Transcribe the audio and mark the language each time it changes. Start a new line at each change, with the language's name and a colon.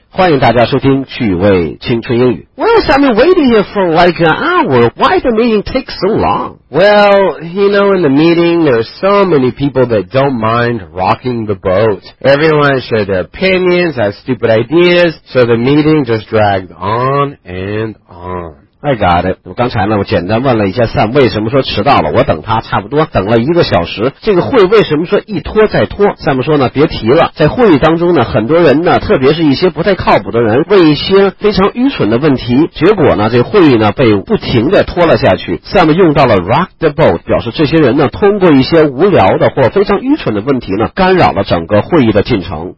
Chinese: 欢迎大家收听趣味青春英语。
English: Well, I've been waiting here for like an hour. Why the meeting takes so long? Well, you know, in the meeting, there's so many people that don't mind rocking the boat. Everyone shared their opinions, had stupid ideas, so the meeting just dragged on and on. I got it.
Chinese: 我刚才呢，我简单问了一下 Sam 为什么说迟到了。我等他差不多等了一个小时。这个会为什么说一拖再拖 ？Sam 说呢，别提了，在会议当中呢，很多人呢，特别是一些不太靠谱的人，问一些非常愚蠢的问题。结果呢，这会议呢被不停的拖了下去。Sam 用到了
English: rock the boat，
Chinese: 表示这些人呢，通过一些无聊的或非常愚蠢的问题呢，干扰了整个会议的进程。